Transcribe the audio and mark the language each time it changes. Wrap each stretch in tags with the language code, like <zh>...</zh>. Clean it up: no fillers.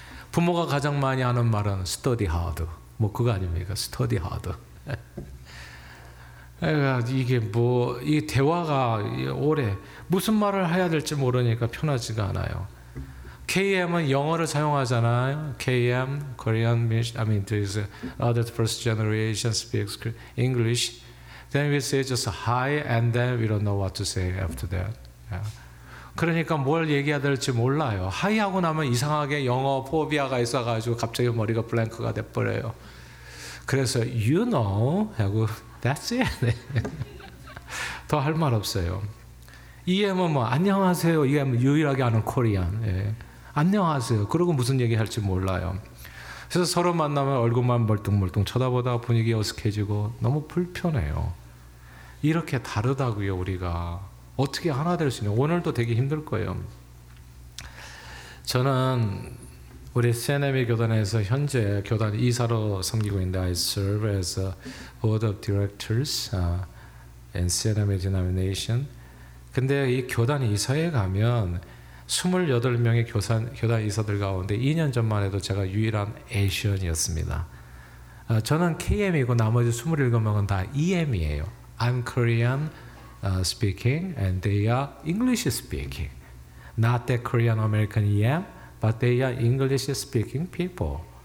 <ko>부모가 가장 많이 하는 말은</ko> <en>study hard.</en> <ko>뭐 그거 아닙니까? study hard. 이게 뭐 이 대화가 오래 무슨 말을 해야 될지 모르니까 편하지가 않아요. KM은 영어를 사용하잖아요.</ko> <en>KM, Korean, I mean, this other first generation speaks English. Then we say just hi, and then we don't know what to say after that. Yeah.</en> <ko>그러니까 뭘 얘기해야 될지 몰라요. Hi 하고 나면 이상하게 영어 포비아가 있어가지고 갑자기 머리가 블랭크가 돼버려요. 그래서</ko> <en>you know</en> <ko>하고</ko> <en>that's it.</en> <ko>더 할 말 없어요. EM은 뭐 안녕하세요. EM 유일하게 아는 코리안. 예. 안녕하세요. 그러고 무슨 얘기할지 몰라요. 그래서 서로 만나면 얼굴만 멀뚱멀뚱 쳐다보다 분위기 어색해지고 너무 불편해요. 이렇게 다르다고요. 우리가 어떻게 하나 될 수 있냐. 오늘도 되게 힘들 거예요. 저는 우리 세네미 교단에서 현재 교단 이사로 섬기고 있는데</ko> <en>I serve as a board of directors in Seneme denomination.</en> <ko>근데 이 교단 이사에 가면 28명의 교단 이사들 가운데 2년 전만 해도 제가 유일한 에이션이었습니다. 저는 KM이고 나머지 27명은 다 EM이에요.</ko> <en>I'm Korean speaking and they are English speaking. Not the Korean American EM, but they are English speaking people.</en>